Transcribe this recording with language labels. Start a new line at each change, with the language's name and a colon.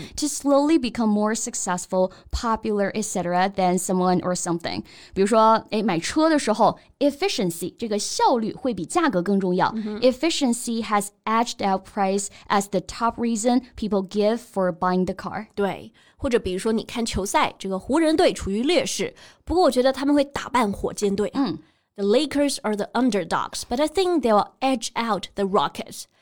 English: To slowly become more successful, popular, etc. than someone or something.
Chinese: 比如说，哎，买车的时候 efficiency 这个效率会比价格更重要。
English: Efficiency has edged out price as the top reason people give for buying the car.
Chinese: 对，或者比如说你看球赛，这个湖人队处于劣势，不过我觉得他们会打败火箭队。
English: The Lakers are the underdogs, but I think they will edge out the Rockets.